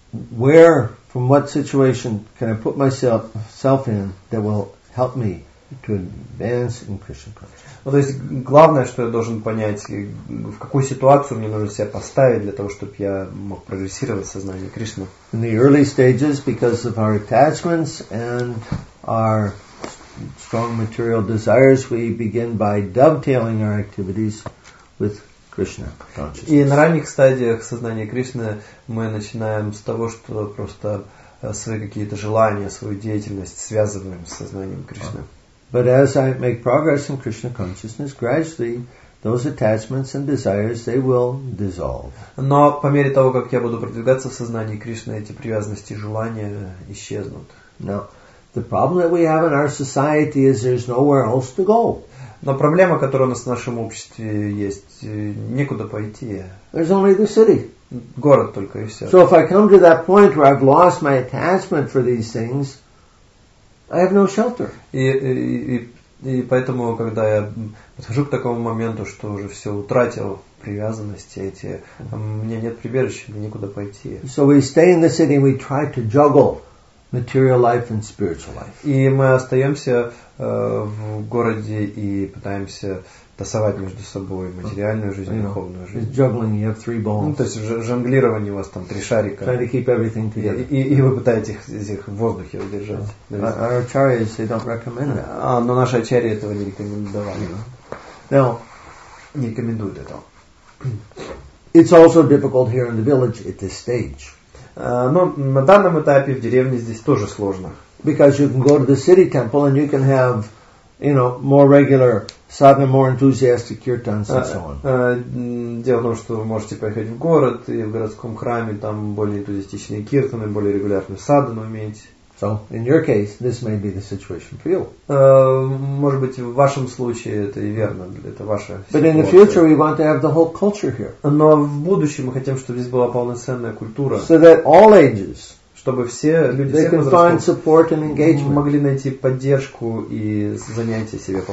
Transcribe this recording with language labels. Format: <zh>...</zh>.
<en>Where, from what situation can I put myself in that will help me to advance in Krishna consciousness?</en> <ru>Ну, то есть главное, что я должен понять, в какую ситуацию мне нужно себя поставить для того, чтобы я мог прогрессировать в сознании Кришны.</ru> <en>In the early stages, because of our attachments and our strong material desires, we begin by dovetailing our activities with Krishna consciousness.</en> <ru>И на ранних стадиях сознания Кришны мы начинаем с того, что просто свои какие-то желания, свою деятельность связываем с сознанием Кришны.</ru> <en>But as I make progress in Krishna consciousness, gradually those attachments and desires, they will dissolve.</en> <ru>Но по мере того, как я буду продвигаться в сознании Кришны, эти привязанности и желания исчезнут.</ru> <en>Now, the problem that we have in our society is there's nowhere else to go.</en> <ru>Но проблема, которая у нас в нашем обществе есть, некуда пойти.</ru> <en>There's only the city.</en> <ru>Город только и все.</ru> <en>So if I come to that point where I've lost my attachment for these things, I have no shelter.</en> <ru>И поэтому, когда я подхожу к такому моменту, что уже все утратил привязанности эти, у меня нет прибежища, мне некуда пойти.</ru> <en>So we stay in the city and we try to juggle material life and spiritual life.</en> <ru>И мы остаемся в городе и пытаемся тасовать между собой материальную жизнь и духовную жизнь.</ru> <en>It's juggling, you have three balls.</en> <ru>Ну, то есть жонглирование у вас там три шарика.</ru> <en>Try to keep everything together.</en> <ru>И вы пытаетесь их в воздухе удержать.</ru> <en>Our acharyas, they don't recommend it.</en> <ru>Но наши ачарьи этого не рекомендовали.</ru> <en>Now,</en> <ru>не рекомендуют этого.</ru> <en>It's also difficult here in the village at this stage.</en> <ru>Но на данном этапе в деревне здесь тоже сложно.</ru> <en>Because you can go to the city temple and you can have you know, more regular sadhana, more enthusiastic kirtans and so on.</en> <ru>Дело в том, что вы можете поехать в город и в городском храме там более энтузиастичные киртаны, более регулярную садхану иметь.</ru> <en>So, in your case, this may be the situation for you.</en> <ru>Может быть, в вашем случае это и верно, это ваша ситуация.</ru> <en>But in the future, we want to have the whole culture here.</en> <ru>Но в будущем мы хотим, чтобы здесь была полноценная культура.</ru> <en>So that all ages.</en> <ru>Чтобы все люди,</ru> <en>they</en> <ru>все</ru> <en>can</en> <ru>возрасты,</ru> <en>find and</en> <ru>могли найти поддержку и занятие себе по</ru>